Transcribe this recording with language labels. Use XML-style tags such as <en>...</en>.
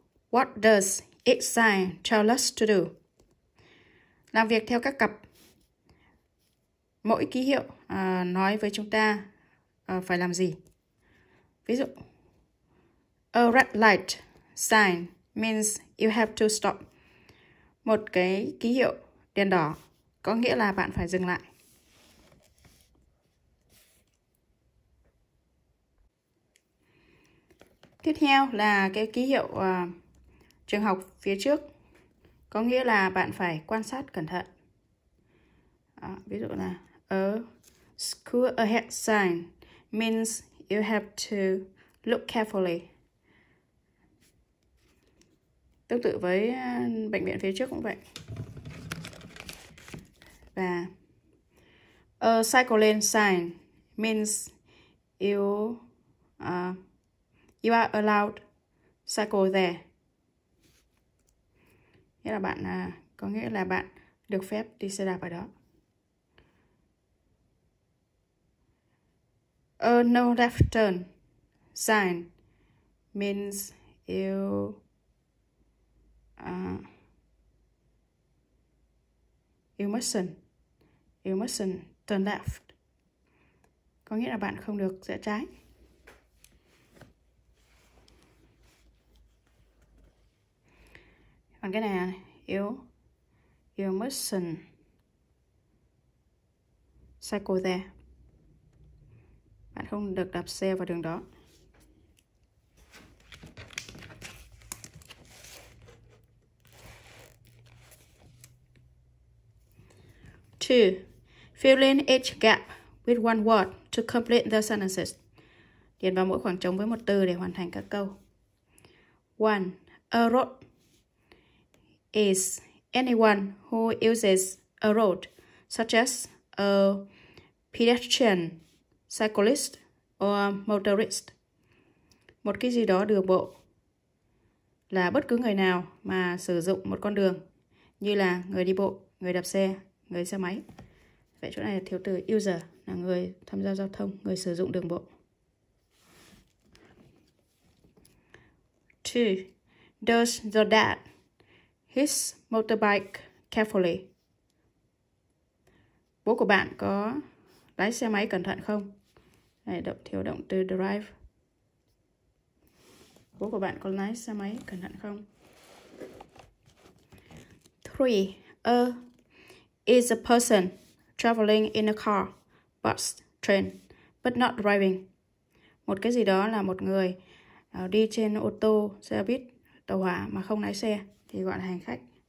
<en>What does each sign tell us to do?</en> <vi>Làm việc theo các cặp. Mỗi ký hiệu nói với chúng ta phải làm gì? Ví dụ,</vi> <en>a red light sign means you have to stop.</en> <vi>Một cái ký hiệu đèn đỏ có nghĩa là bạn phải dừng lại. Tiếp theo là cái ký hiệu trường học phía trước có nghĩa là bạn phải quan sát cẩn thận. Ví dụ là</vi> <en>a school ahead sign means you have to look carefully.</en> <vi>Tương tự với bệnh viện phía trước cũng vậy. Và</vi> <en>a cycle lane sign means you are allowed cycle there.</en> <vi>Nghĩa là bạn có nghĩa là bạn được phép đi xe đạp ở đó.</vi> <en>A no left turn sign means you mustn't turn left.</en> <vi>Có nghĩa là bạn không được rẽ trái. Còn cái này,</vi> <en>you mustn't cycle there.</en> <vi>Bạn không được đạp xe vào đường đó.</vi> <en>Two, fill in each gap with one word to complete the sentences.</en> <vi>Điền vào mỗi khoảng trống với một từ để hoàn thành các câu.</vi> <en>One, a road is anyone who uses a road, such as a pedestrian, cyclist, or motorist.</en> <vi>Một cái gì đó đường bộ là bất cứ người nào mà sử dụng một con đường, như là người đi bộ, người đạp xe, người xe máy. Vậy chỗ này là thiếu từ user, là người tham gia giao thông, người sử dụng đường bộ.</vi> <en>Two, does your dad his motorbike carefully?</en> <vi>Bố của bạn có lái xe máy cẩn thận không? Đây, động thiếu động từ drive. Bố của bạn có lái xe máy cẩn thận không?</vi> <en>Three, is a person traveling in a car, bus, train, but not driving.</en> <vi>Một cái gì đó là một người đi trên ô tô, xe buýt, tàu hỏa mà không lái xe thì gọi là hành khách.</vi>